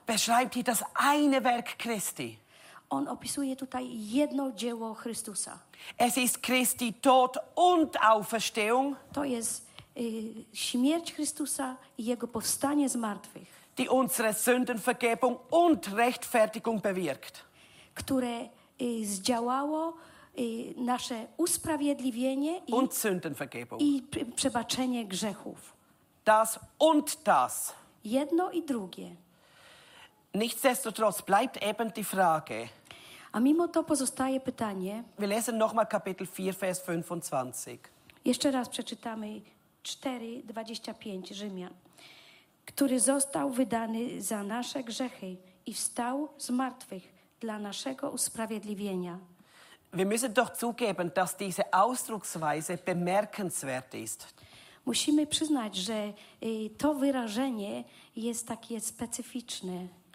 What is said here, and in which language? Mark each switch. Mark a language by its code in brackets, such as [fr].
[de] Beschreibt hier das eine Werk Christi. [pl] On opisuje tutaj jedno dzieło Chrystusa. [de] Es ist Christi Tod und Auferstehung. [pl] To jest śmierć Chrystusa i jego powstanie z martwych. [de] Die unsere Sündenvergebung und Rechtfertigung bewirkt. [pl] Które zdziałało nasze usprawiedliwienie [de] und Sündenvergebung. [pl] I przebaczenie grzechów. [de] Das und das. [pl] Jedno i drugie. [de] Nichtsdestotrotz bleibt eben die Frage. [pl] A mimo to pozostaje pytanie. [de] Wir lesen nochmal Kapitel 4, Vers 25. [pl] Jeszcze raz przeczytamy 4:25 Rzymian, który został wydany za nasze grzechy i wstał z martwych dla naszego usprawiedliwienia. [de] Wir müssen doch zugeben, dass diese Ausdrucksweise bemerkenswert ist. [pl] Musimy przyznać, że to wyrażenie jest takie specyficzne.